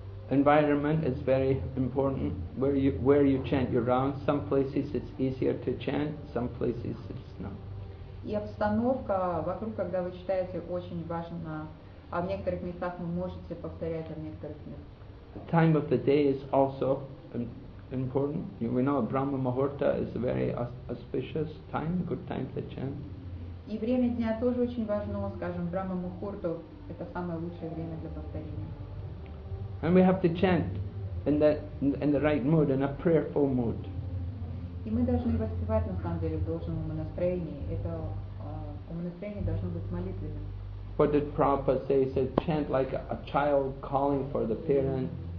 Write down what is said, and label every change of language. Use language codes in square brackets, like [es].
[en] Environment is very important, where you chant your rounds. Some places it's easier to chant, some places it's not. [ru] И обстановка вокруг, когда вы читаете, очень важна. А в некоторых местах вы можете повторять, а в некоторых нет. [en] The time of the day is also important. We know Brahma Muhurta is a very auspicious time, good time to chant. [ru] И время дня тоже очень важно, скажем, Брахма Мухурту – это самое лучшее время для повторения. [en] And we have to chant in the right mood, in a prayerful mood. [ru] И мы должны воспевать на самом деле в должном настроении. Это настроение должно быть молитвенным. [en] What did Prabhupada say? He said, chant like a child calling for the parent.